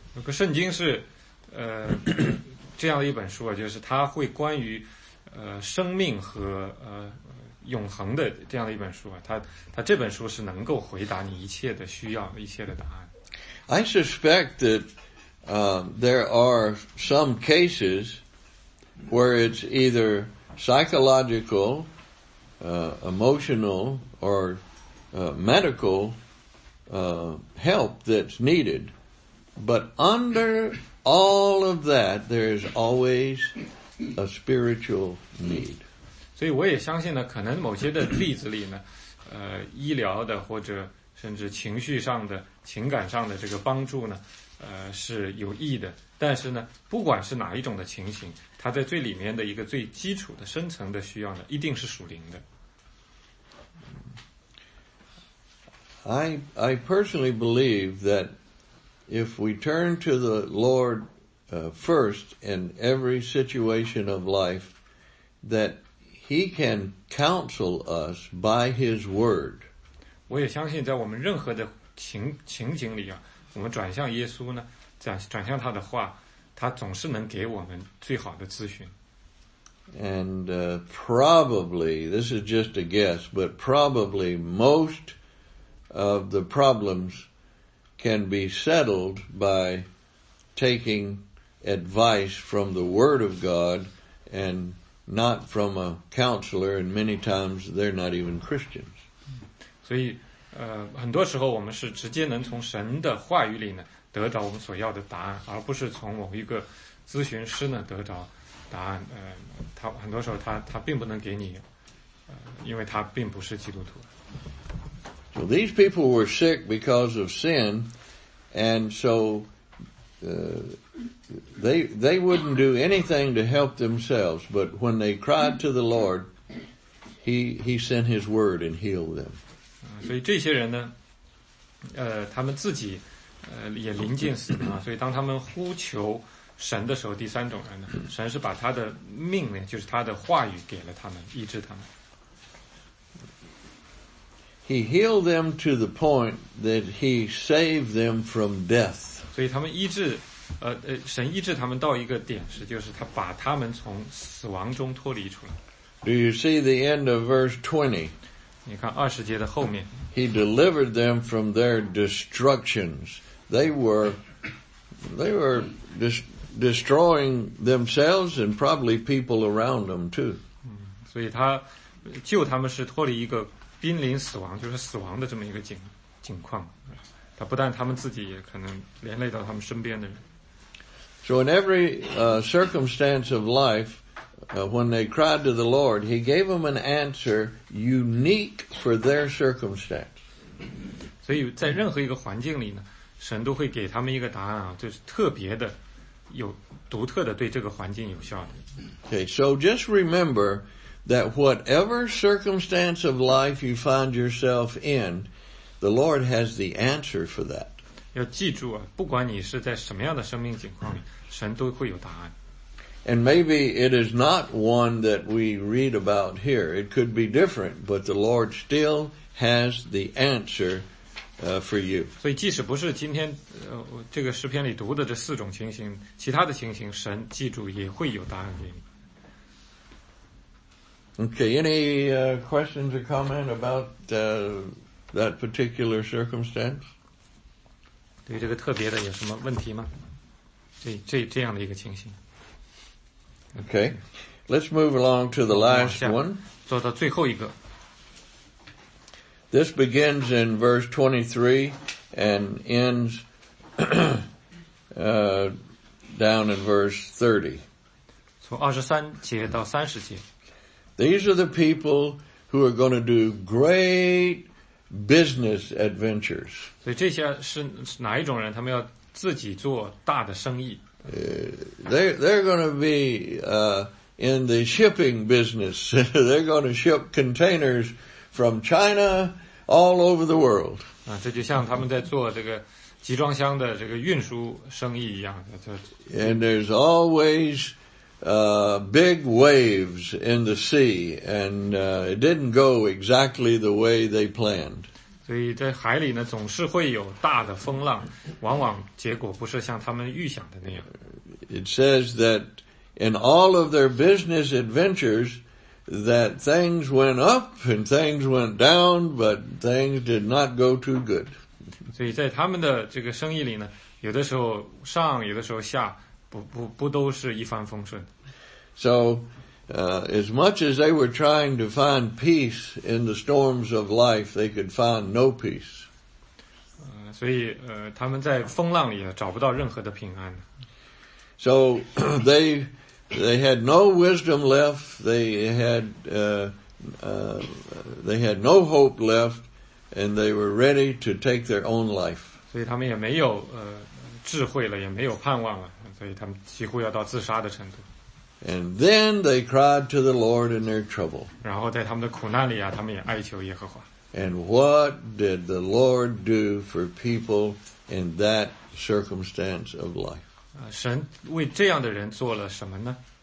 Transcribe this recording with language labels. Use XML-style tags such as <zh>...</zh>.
<zh>圣经是这样的一本书就是它会关于生命和永恒的这样的一本书它这本书是能够回答你一切的需要，一切的答案。</zh> <en>I suspect that there are some cases where it's either psychological, emotional, or medical help that's needed. But under all of that, there is always a spiritual need.</en> <zh>所以我也相信呢，可能某些的例子里呢，医疗的或者甚至情绪上的、情感上的这个帮助呢，是有益的。但是呢，不管是哪一种的情形，它在最里面的一个最基础的、深层的需要呢，一定是属灵的。</zh> <en>I personally believe that if we turn to the Lord first in every situation of life, that He can counsel us by His word.</en> <zh>我也相信在我们任何的情景里我们转向耶稣呢，转向他的话，他总是能给我们最好的咨询。</zh> <en>And probably, this is just a guess, but probably most of the problems can be settled by taking advice from the word of God and not from a counselor, and many times they're not even Christians.</en> <zh>所以很多时候我们是直接能从神的话语里呢得到我们所要的答案，而不是从某一个咨询师呢得到答案。他很多时候他并不能给你，因为他并不是基督徒。</zh> <en>So these people were sick because of sin, and so they wouldn't do anything to help themselves, but when they cried to the Lord, he sent his word and healed them.</en> <zh>所以这些人呢，他们自己也临近死亡，所以当他们呼求神的时候，第三种人呢，神是把他的命令，就是他的话语给了他们，医治他们。</zh> <en>He healed them to the point that he saved them from death.</en> <zh>所以他们医治神医治他们到一个点是，就是他把他们从死亡中脱离出来。</zh> <en>Do you see the end of verse 20?</en> <zh>你看二十节的后面。</zh> <en>He delivered them from their destructions. They were destroying themselves and probably people around them too.</en> <zh>所以他救他们是脱离一个濒临死亡，就是死亡的这么一个境况。他不但他们自己，也可能连累到他们身边的人。</zh> <en>So in every circumstance of life, when they cried to the Lord, He gave them an answer unique for their circumstance.</en> <zh>所以在任何一个环境里呢，神都会给他们一个答案啊，就是特别的，有独特的对这个环境有效的。</zh> <en>Okay, so just remember that whatever circumstance of life you find yourself in, the Lord has the answer for that.</en> <zh>要记住啊，不管你是在什么样的生命境况里，神都会有答案。</zh> <en>And maybe it is not one that we read about here. It could be different, but the Lord still has the answer, for you.</en> <zh>所以即使不是今天，这个诗篇里读的这四种情形，其他的情形，神记住也会有答案给你。</zh> <en>Okay, any, questions or comment about, that particular circumstance?</en> <zh>对这个特别的有什么问题吗？这样的一个情形。</zh> <en>Okay, let's move along to the last one.</en> <zh>做到最后一个。</zh> <en>This begins in verse 23 and ends, down in verse 30.</en> <zh>从23节到30节。</zh> <en>These are the people who are going to do great business adventures.</en> <zh>所以这些是哪一种人？他们要自己做大的生意。</zh> <en>They're going to be, in the shipping business. They're going to ship containers from China all over the world.</en> <zh>啊，这就像他们在做这个集装箱的这个运输生意一样。</zh> <en>And there's always, big waves in the sea, and, it didn't go exactly the way they planned.</en> <zh>所以在海里呢，总是会有大的风浪，往往结果不是像他们预想的那样。</zh> <en>It says that in all of their business adventures, that things went up and things went down, but things did not go too good.</en> <zh>所以在他们的这个生意里呢，有的时候上，有的时候下，不都是一帆风顺。</zh> <en>So, as much as they were trying to find peace in the storms of life, they could find no peace.</en> <zh>所以他们在风浪里找不到任何的平安。</zh> <en>So, they had no wisdom left, they had no hope left, and they were ready to take their own life.</en> <zh>所以他们也没有智慧了，也没有盼望了，所以他们几乎要到自杀的程度。</zh> <en>And then they cried to the Lord in their trouble.</en> <zh>然后在他们的苦难里啊，他们也哀求耶和华。</zh> <en>And what did the Lord do for people in that circumstance of life?</en> <zh>神为这样的人做了什么呢？</zh>